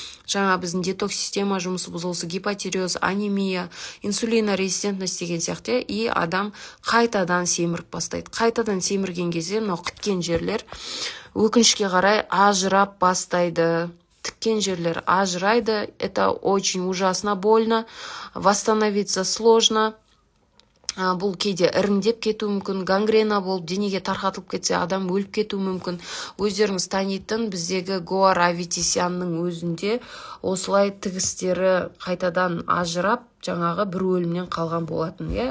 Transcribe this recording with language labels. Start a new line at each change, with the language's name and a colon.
Kazakh: Жаңа біздің детокс система жұмысы бұзылсы, гипотиреоз, анемия, инсулинорезистентность деген сияқты. И адам қайтадан семіріп бастайды. Қайтадан семірген кезде, но тіккен жерлер өкінішке қарай ажырап бастайды. Тіккен жерлер ажырайды.
Russian: Это очень ужасно больно. Восстановиться сложно.
Kazakh: Бұл кейде іріңдеп кету мүмкін, гангрена болып, денеге тарқатылып кетсе, адам өліп кету мүмкін. Өздеріңіз танитын, біздегі Гоар Аветисянның өзінде осылай тігістері қайтадан ажырап, жаңағы бір өлімнен қалған болатын.